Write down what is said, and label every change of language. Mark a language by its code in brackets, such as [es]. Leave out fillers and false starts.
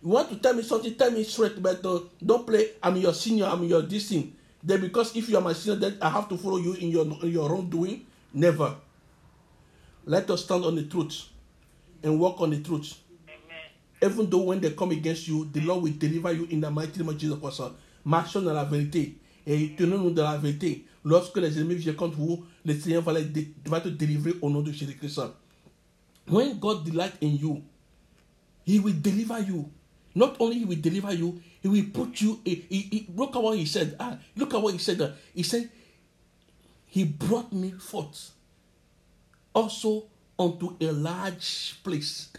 [en] You want to tell me something, tell me straight, but don't play I'm your senior, I'm your this thing. Then because if you are my senior, then I have to follow you in your wrongdoing. Never. Let us stand on the truth and walk on the truth. Amen. Even though when they come against you, the Lord will deliver you in the mighty name of Jesus Christ. [fr] Marche dans la vérité. Et tenons-nous dans la vérité. Lorsque les ennemis viennent contre vous, le Seigneur va te délivrer au nom de Jésus-Christ. [en] When God delights in you, he will deliver you. Not only he will deliver you, he will put you... look at what he said. Look at what he said. He said, he brought me forth also unto a large place.